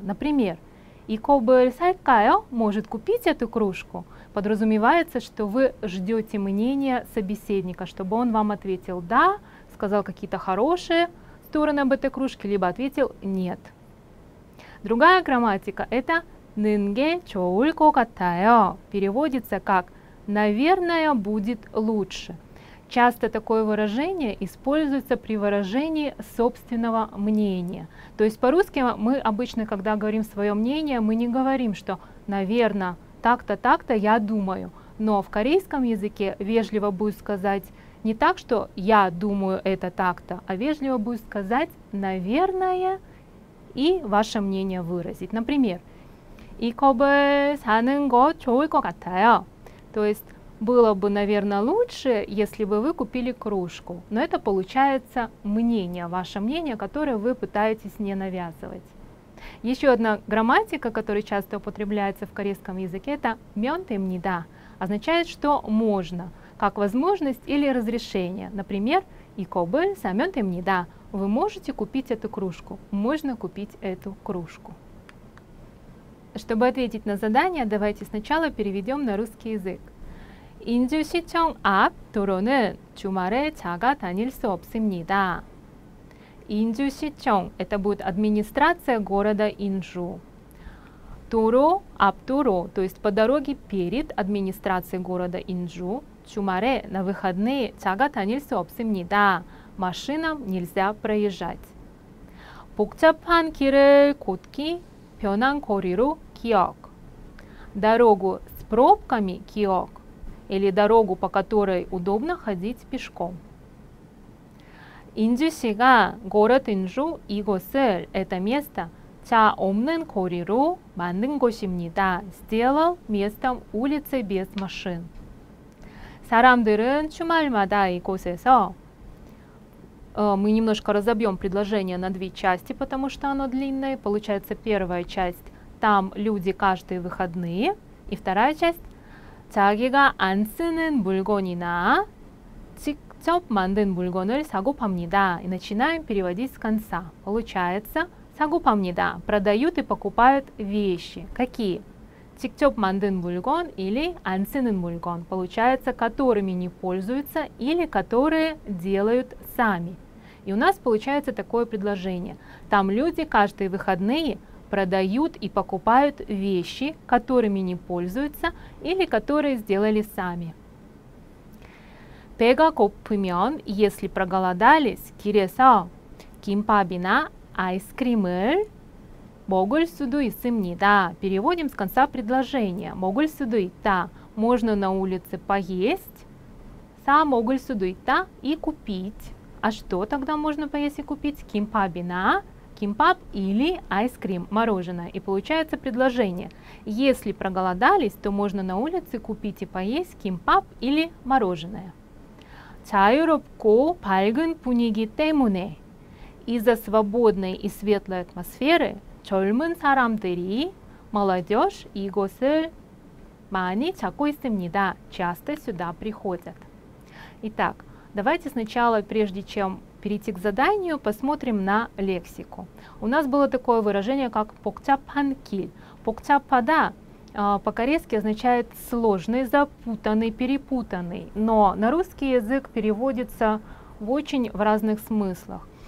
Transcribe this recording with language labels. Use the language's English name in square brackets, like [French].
[Russian] Например, [Korean] 이거 뭘 살까요? [Russian] Может купить эту кружку? Подразумевается, что вы ждете мнения собеседника, чтобы он вам ответил «да», сказал какие-то хорошие стороны об этой кружке, либо ответил «нет». Другая грамматика – это [Korean] 는게 좋을 것 같아요. [Russian] Переводится как «наверное, будет лучше». Часто такое выражение используется при выражении собственного мнения. То есть по-русски мы обычно, когда говорим свое мнение, мы не говорим, что «наверное, так-то, так-то я думаю». Но в корейском языке вежливо будет сказать не так, что «я думаю это так-то», а вежливо будет сказать «наверное» и ваше мнение выразить. Например, [Korean] 이거 사는 거 좋을 것 같아요. [Russian] То есть было бы, наверное, лучше, если бы вы купили кружку. Но это получается мнение, ваше мнение, которое вы пытаетесь не навязывать. Еще одна грамматика, которая часто употребляется в корейском языке, это 면됩니다. Означает, что можно, как возможность или разрешение. [Korean] Например, 이거 사면 됩니다. [Russian] Вы можете купить эту кружку. Можно купить эту кружку. Чтобы ответить на задание, давайте сначала переведем на русский язык. [Korean] 인주시청 앞 도로는 주말에 차가 다닐 수 없습니다. [Russian] 인주시청 – это будет администрация города Инжу. 도로 – ап доро, то есть по дороге перед администрацией города Инжу. [Korean] 주말에 – [Russian] на выходные [Korean] 차가 다닐 수 없습니다. [Russian] Машинам нельзя проезжать. [Korean] 복잡한 길을 곧기 변한 거리로 기억. [Russian] Дорогу с пробками 기억. Или дорогу, по которой удобно ходить пешком. [Korean] 인주시가 [Russian] город Инжу [Korean] 이곳을 [Russian] это место [Korean] 차 없는 거리로 만든 곳입니다. [Russian] Сделал местом улицы без машин. [Korean] 사람들은 주말마다 이곳에서 [Russian] Мы немножко разобьем предложение на две части, потому что оно длинное. Получается, первая часть – там люди каждые выходные. И вторая часть – [Korean] 자기가 안 쓰는 물건이나 직접 만든 물건을 사고 팝니다. [Russian] И начинаем переводить с конца. Получается, [Korean] 사고 팝니다. [Russian] Продают и покупают вещи. Какие? [Korean] 직접 만든 물건 или 안 쓰는 물건. [Russian] Получается, которыми не пользуются или которые делают сами. И у нас получается такое предложение. Там люди каждые выходные продают и покупают вещи, которыми не пользуются или которые сделали сами. [Korean] 배가 고프면, [Russian] если проголодались, [Korean] 길에서 김밥이나 아이스크림을 먹을 수도 있습니다. [Russian] Переводим с конца предложения. [Korean] 먹을 수도 있다. [Russian] Можно на улице поесть. [Korean] 사 먹을 수도 있다. [Russian] И купить. А что тогда можно поесть и купить? Кимпабина, кимпаб или айскрим, мороженое. И получается предложение. Если проголодались, то можно на улице купить и поесть кимпаб или мороженое. [Korean] 자유롭고 밝은 분위기 때문에 [Russian] из-за свободной и светлой атмосферы [Korean] 젊은 사람들이 [Russian] молодежь [Korean] 이곳을 많이 찾고 있습니다. [Russian] Часто сюда приходят. Итак. Давайте сначала, прежде чем перейти к заданию, посмотрим на лексику. У нас было такое выражение, как 복잡한 길. 복잡하다 по-корейски означает сложный, запутанный, перепутанный. Но на русский язык переводится в разных смыслах.